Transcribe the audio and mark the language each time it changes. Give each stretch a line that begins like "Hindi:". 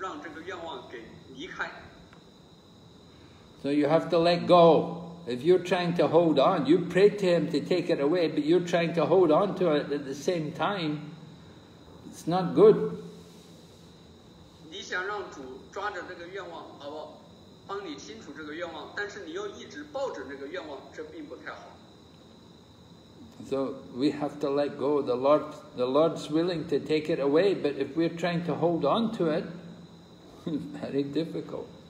Chinese: 如果你的愿望更多了,这只是表明你在一直抓着那个愿望,你并没有让这个愿望给离开。
English: So you have to let go. If you're trying to hold on, you pray to Him to take it away, but you're trying to hold on to it at the same time, it's not good.
Chinese: 你想让主抓着这个愿望,帮你清除这个愿望,但是你又一直抱着那个愿望,这并不太好。
English: So we have to let go. The Lord's willing to take it away, but if we're trying to hold on to it, it's very difficult.